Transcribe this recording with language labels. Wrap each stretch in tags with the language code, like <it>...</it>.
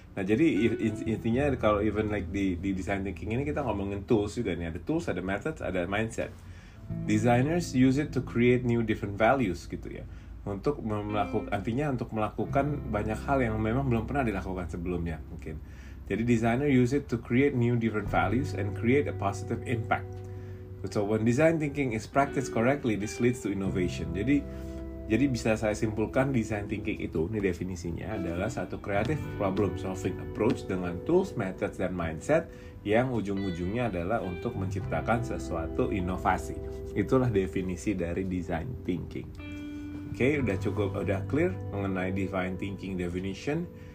<id>Nah, jadi intinya kalau</id> <en>even like</en> <id>di design thinking ini kita ngomongin tools juga nih. Ada tools, ada method, ada mindset.</id> <en>Designers use it to create new different values</en> <id>gitu ya. Untuk melakukan, artinya untuk melakukan banyak hal yang memang belum pernah dilakukan sebelumnya mungkin. Jadi</id> <en>designer use it to create new different values and create a positive impact. So when design thinking is practiced correctly, this leads to innovation.</en> <id>Jadi bisa saya simpulkan design thinking itu, ini definisinya, adalah satu</id> <en>creative problem solving approach</en> <id>dengan tools, methods, dan mindset yang ujung-ujungnya adalah untuk menciptakan sesuatu inovasi. Itulah definisi dari design thinking. Oke, udah cukup, udah clear mengenai design thinking definition.</id>